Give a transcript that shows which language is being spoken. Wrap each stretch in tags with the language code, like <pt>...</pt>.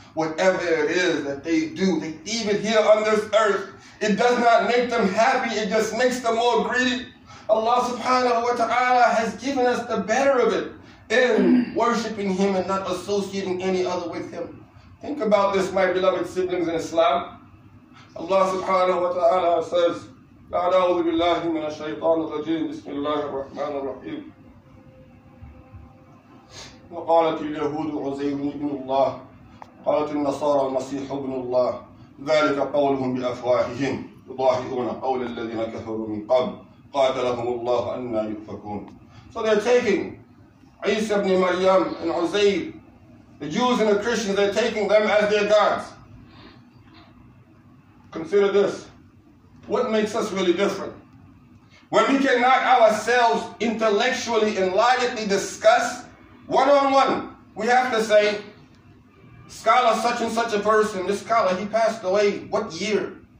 <en>Whatever it is that they do, they leave it here on this earth. It does not make them happy, it just makes them more greedy. Allah subhanahu wa ta'ala has given us the better of it in worshiping him and not associating any other with him. Think about this, my beloved siblings in Islam. Allah subhanahu wa ta'ala says,</en> <ar>أعوذ بالله من الشيطان الرجيم بسم الله الرحمن الرحيم وقالت اليهود عزير ابن الله قالت النصارى المسيح ابن الله ذلك قولهم بأفواههم يضاهئون قول الذين كفروا من قبل قاتلهم الله أنى يؤفكون.</ar> <en>So they're taking عيسى ابن مريم and عزير, the Jews and the Christians, they're taking them as their gods. Consider this. What makes us really different? When we cannot ourselves intellectually, enlightenedly discuss one-on-one, we have to say, scholar such and such a person, this scholar, he passed away, what year?</en>